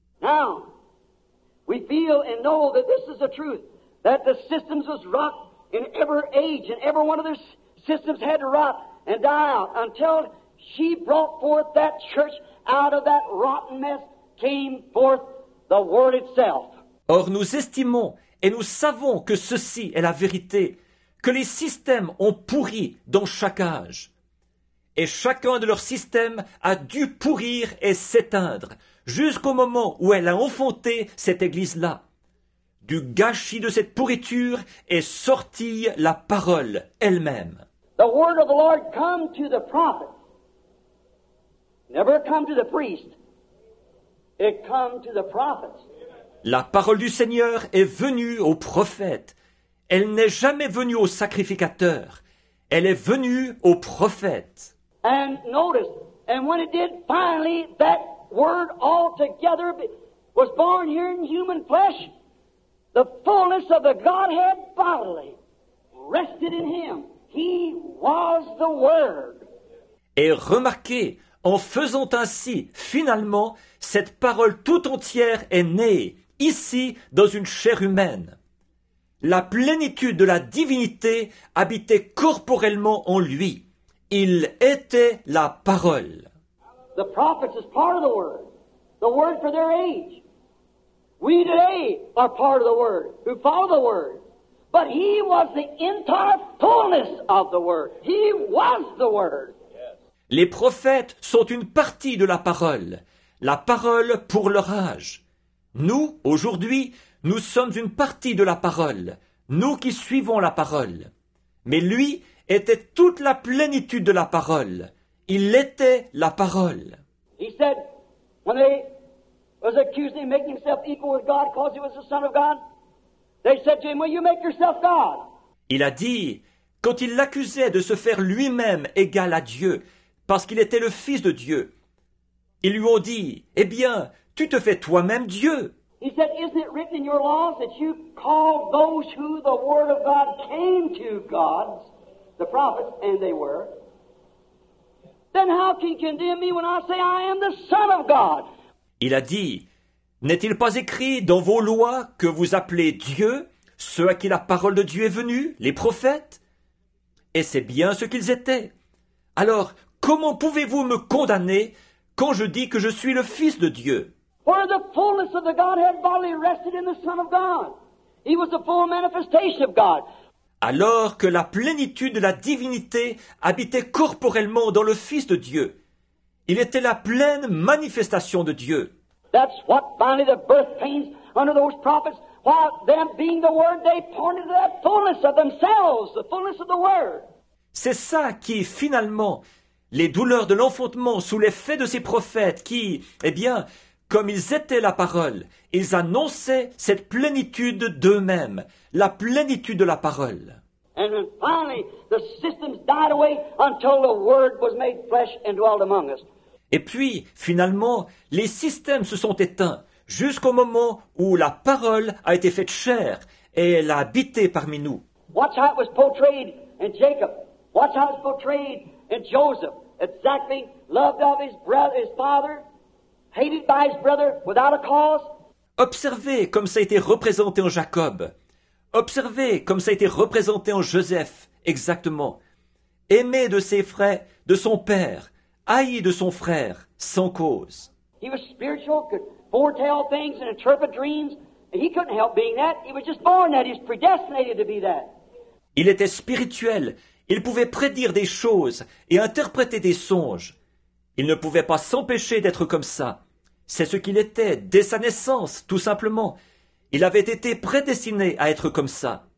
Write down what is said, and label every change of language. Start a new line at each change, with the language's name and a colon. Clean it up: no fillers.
English: Now, we feel and know that this is the truth, that the systems was rocked in every age, and every one of their systems had to rot and die out until she brought forth that church out of that rotten mess, came forth the word itself.
French: Or, nous estimons et nous savons que ceci est la vérité, que les systèmes ont pourri dans chaque âge. Et chacun de leurs systèmes a dû pourrir et s'éteindre jusqu'au moment où elle a enfanté cette église-là. Du gâchis de cette pourriture est sortie la parole elle-même.
English: The word of the Lord come to the prophet. Never come to the priest. It come to the prophet.
French: La parole du Seigneur est venue au prophète. Elle n'est jamais venue au sacrificateur. Elle est venue au prophète.
English: And notice, and when it did, finally, that word altogether was born here in human flesh. The fullness of the Godhead bodily rested in him. He was the word.
French: Et remarquez, en faisant ainsi, finalement, cette parole tout entière est née, ici, dans une chair humaine. La plénitude de la divinité habitait corporellement en lui. Il était la parole.
English: The prophets is part of the word for their age. We today are part of the word, who follow the word. But he was the entire fullness of the word. He was the word. Yes.
French: Les prophètes sont une partie de la parole pour leur âge. Nous, aujourd'hui, nous sommes une partie de la parole, nous qui suivons la parole. Mais lui était toute la plénitude de la parole. Il était la parole.
English: He said, when they was accused of making himself equal with God, because he was the Son of God, they said to him, "Will you make yourself God?"
French: Il a dit, quand il l'accusait de se faire lui-même égal à Dieu, parce qu'il était le Fils de Dieu, ils lui ont dit, eh bien, tu te fais toi-même Dieu.
English: He said, "Isn't it written in your laws that you call those who the word of God came to gods?" The prophets, and they were. Then how can you condemn me when I say I am the Son of God?
French: Il a dit, n'est-il pas écrit dans vos lois que vous appelez Dieu ceux à qui la parole de Dieu est venue, les prophètes? Et c'est bien ce qu'ils étaient. Alors, comment pouvez-vous me condamner quand je dis que je suis le Fils de Dieu?
English: Where the fullness of the Godhead bodily rested in the Son of God. He was the full manifestation of God.
French: Alors que la plénitude de la divinité habitait corporellement dans le Fils de Dieu. Il était la pleine manifestation de Dieu.
English: That's what finally the birth pains under those prophets, while them being the word, they pointed to that fullness of themselves, the fullness of the word.
French: C'est ça qui, finalement, les douleurs de l'enfantement sous l'effet de ces prophètes qui, eh bien, comme ils étaient la parole, ils annonçaient cette plénitude d'eux-mêmes, la plénitude de la parole.
English: And finally, the systems died away until the word was made flesh and dwelt among us.
French: Et puis, finalement, les systèmes se sont éteints jusqu'au moment où la parole a été faite chair et elle a habité parmi nous.
English: Watch how it was portrayed in Jacob. Watch how it was portrayed in Joseph. Exactly loved of his brother, his father. Hated by his brother without a cause.
French: Observez comme ça a été représenté en Jacob. Observez comme ça a été représenté en Joseph, exactement. Aimé de ses frères, de son père, haï de son frère, sans cause.
English: He was spiritual, could foretell things and interpret dreams. He couldn't help being that. He was just born that. He's predestinated to be that.
French: Il était spirituel. Il pouvait prédire des choses et interpréter des songes. Il ne pouvait pas s'empêcher d'être comme ça. C'est ce qu'il était dès sa naissance, tout simplement. Il avait été prédestiné à être comme ça.